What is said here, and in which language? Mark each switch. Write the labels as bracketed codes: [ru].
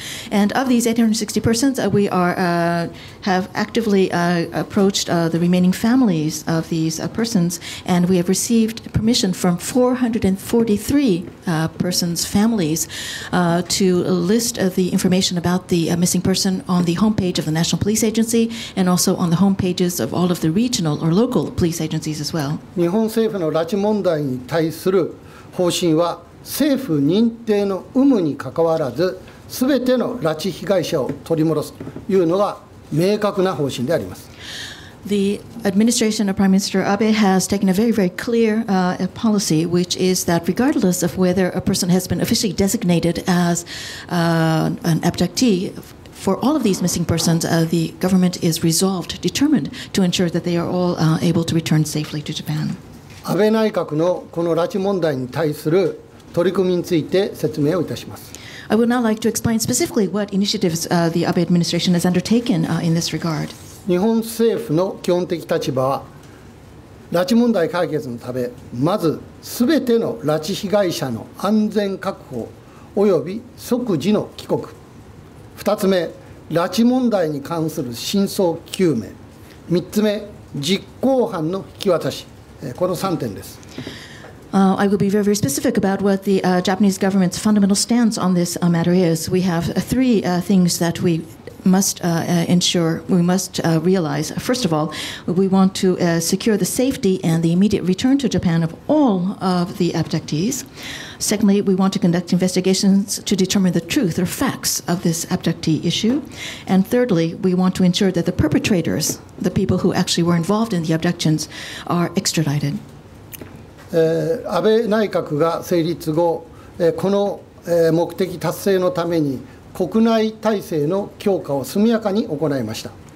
[en] And of these 860 persons, we are, have actively approached the remaining families of these persons, and we have received permission from 443 persons' families to list the information about the missing person on the homepage of the National Police Agency and also on the homepages of all of the regional or local police agencies as well. [ja] 日本政府の拉致問題に対する方針は政府認定の有無にかかわらず全ての拉致被害者を取り戻すというのが明確な方針であります。 [en] The administration of Prime Minister Abe has taken a very, very clear policy, which is that regardless of whether a person has been officially designated as an abductee, for all of these missing persons, the government is resolved, determined to ensure that they are all able to return safely to Japan. [ja] 安倍内閣のこの拉致問題に対する取り組みについて説明をいたします。 [en] I would now like to explain specifically what initiatives the Abe administration has undertaken in this regard. [ja] 日本政府の基本的立場は拉致問題解決のためまず全ての拉致被害者の安全確保および即時の帰国2つ目、拉致問題に関する真相究明3つ目、実行犯の引き渡しこの3点です。 [en] I will be very, very specific about what the Japanese government's fundamental stance on this matter is. We have three things that we must ensure, we must realize. First of all, we want to secure the safety and the immediate return to Japan of all of the abductees. Secondly, we want to conduct investigations to determine the truth or facts of this abductee issue. And thirdly, we want to ensure that the perpetrators, the people who actually were involved in the abductions, are extradited. [ja] 安倍内閣が成立後、この目的達成のために国内体制の強化を速やかに行いました。